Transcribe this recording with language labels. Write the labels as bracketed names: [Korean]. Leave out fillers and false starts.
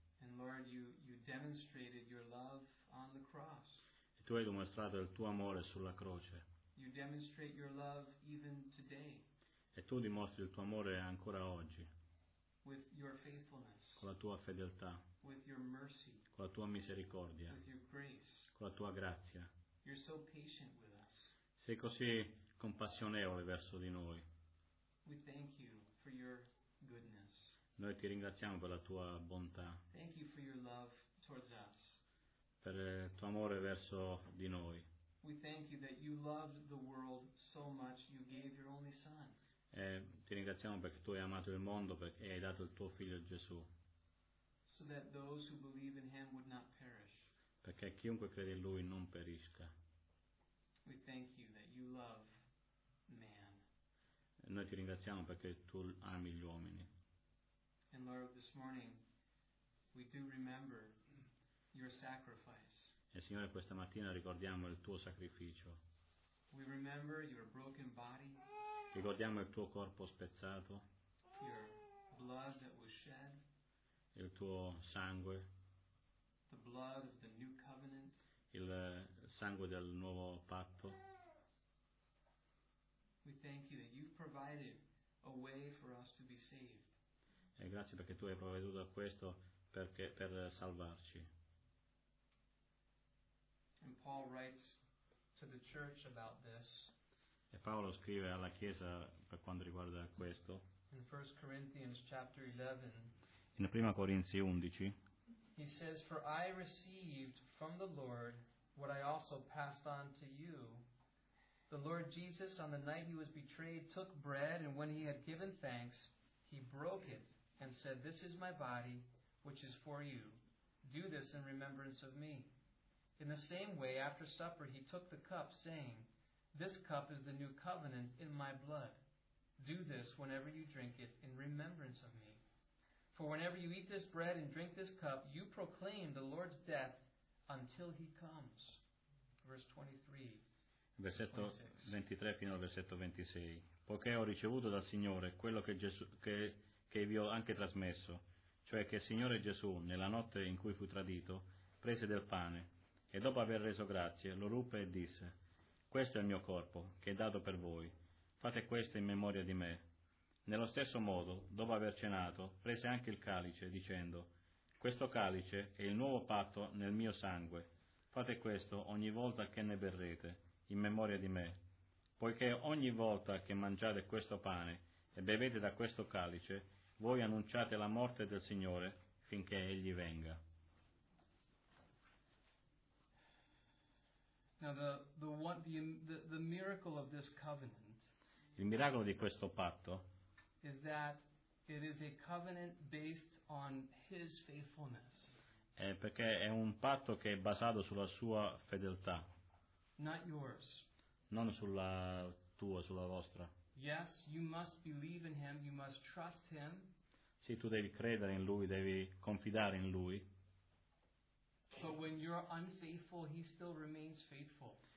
[English] And Lord, you demonstrated your love on the cross. [Italian] E tu hai dimostrato il tuo amore sulla croce. [English] You demonstrate your love even today. [Italian] E tu dimostri il tuo amore ancora oggi. [English] With your faithfulness. [Italian] Con la tua fedeltà. [English] With your mercy. [Italian] Con la tua misericordia. [English] With your grace. [Italian] Con la tua grazia. [English] You're so patient with us. [Italian] Sei così compassionevole verso di noi. [English] We thank you for your goodness. [Italian] Noi ti ringraziamo per la tua bontà. [English] Thank you for your love towards us. [Italian] Per il tuo amore verso di noi. [English] We thank you that you loved the world so much you gave your only son. [Italian] Ti ringraziamo perché tu hai amato il mondo e hai dato il tuo figlio Gesù. [English] So that those who believe in him would not perish. [Italian] Perché chiunque crede in lui non perisca. [English] We thank you that you love man. [Italian] Noi ti ringraziamo perché tu ami gli uomini. [English] And Lord, this morning we do remember your sacrifice. [Italian] E Signore, questa mattina ricordiamo il tuo sacrificio. [English] We remember your broken body. [Italian] Ricordiamo il tuo corpo spezzato. [English] Your blood that was shed. [Italian] Il tuo sangue. [English] The blood of the new covenant. [Italian] Il sangue del nuovo patto. [English] We thank you that you've provided a way for us to be saved. [Italian] E grazie perché tu hai provveduto a questo per salvarci. [English] And Paul writes to the church about this. [Italian] E Paolo scrive alla chiesa per quanto riguarda questo. [English] In 1 Corinthians chapter 11. [Italian] In 1 Corinzi 11. [English] He says, "For I received from the Lord what I also passed on to you. The Lord Jesus, on the night he was betrayed, took bread, and when he had given thanks, he broke it and said, 'This is my body, which is for you. Do this in remembrance of me.' In the same way, after supper, he took the cup, saying, 'This cup is the new covenant in my blood. Do this whenever you drink it in remembrance of me. For whenever you eat this bread and drink this cup, you proclaim the Lord's death until he comes.'" Verse 23. [Italian] Versetto 26. 23 fino al versetto 26. "Poiché ho ricevuto dal Signore quello che Gesù che vi ho anche trasmesso, cioè che il Signore Gesù, nella notte in cui fu tradito, prese del pane, e dopo aver reso grazie, lo ruppe e disse: 'Questo è il mio corpo, che è dato per voi. Fate questo in memoria di me.' Nello stesso modo, dopo aver cenato, prese anche il calice, dicendo: 'Questo calice è il nuovo patto nel mio sangue. Fate questo ogni volta che ne berrete, in memoria di me. Poiché ogni volta che mangiate questo pane e bevete da questo calice, voi annunciate la morte del Signore finché egli venga.'" [English] Now the miracle of this covenant, [Italian] il miracolo di questo patto, [English] is that it is a covenant based on his faithfulness. [Italian] È perché è un patto che è basato sulla sua fedeltà. [English] Not yours. [Italian] Non sulla tua, sulla vostra. [English] Yes, you must believe in him, you must trust him. [Italian] Sì, tu devi credere in lui, devi confidare in lui. [English] But when you're unfaithful, he still remains faithful.